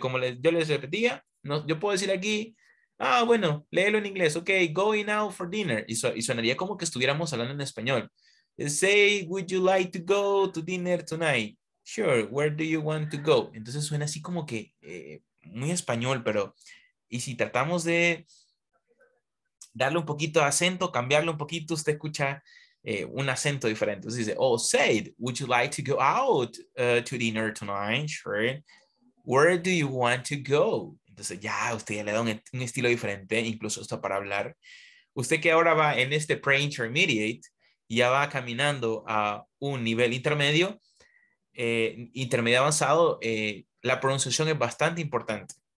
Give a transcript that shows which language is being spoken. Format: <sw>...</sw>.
<es>Como yo les repetía, no, yo puedo decir aquí, ah, bueno, léelo en inglés.</es> <en>Okay, going out for dinner.</en> <es>Y sonaría como que estuviéramos hablando en español.</es> <en>Say, would you like to go to dinner tonight? Sure, where do you want to go?</en> <es>Entonces suena así como que muy español, pero y si tratamos de darle un poquito de acento, cambiarlo un poquito, usted escucha un acento diferente. Entonces dice,</es> <en>oh, Said, would you like to go out to dinner tonight? Sure. Where do you want to go?</en> <es>Entonces ya usted ya le da un estilo diferente, incluso hasta para hablar. Usted que ahora va en este pre-intermediate, ya va caminando a un nivel intermedio, intermedio avanzado, la pronunciación es bastante importante.</es>